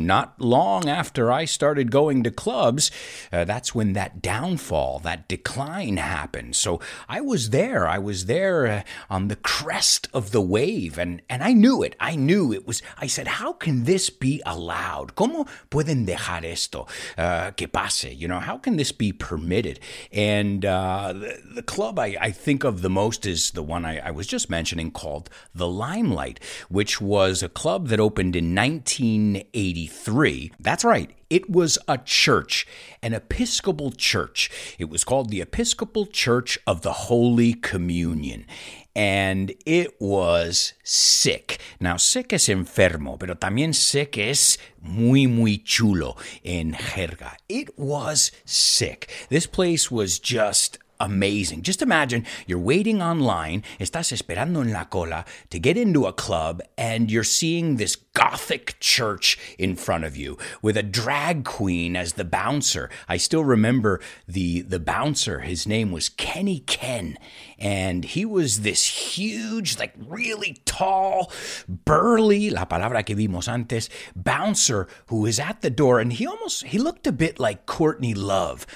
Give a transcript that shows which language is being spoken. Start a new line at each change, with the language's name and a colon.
English: Not long after I started going to clubs, that's when that downfall, that decline happened. So I was there. I was there on the crest of the wave. And I knew it. I knew it was. I said, "How can this be allowed?
Spanish: ¿Cómo pueden dejar esto que pase?"
English: You know, how can this be permitted? And the club I think of the most is the one I was just mentioning, called The Limelight, which was a club that opened in 1983. That's right. It was a church, an Episcopal church. It was called the Episcopal Church of the Holy Communion. And it was sick.
Spanish: Now, sick es enfermo, pero también sick es muy, muy chulo en jerga.
English: It was sick. This place was just amazing. Just imagine, you're waiting online,
Spanish: estás esperando en la cola
English: to get into a club, and you're seeing this gothic church in front of you with a drag queen as the bouncer. I still remember the bouncer, his name was Kenny Ken, and he was this huge, like really tall, burly,
Spanish: la palabra que vimos antes,
English: bouncer who was at the door, and he looked a bit like Courtney Love.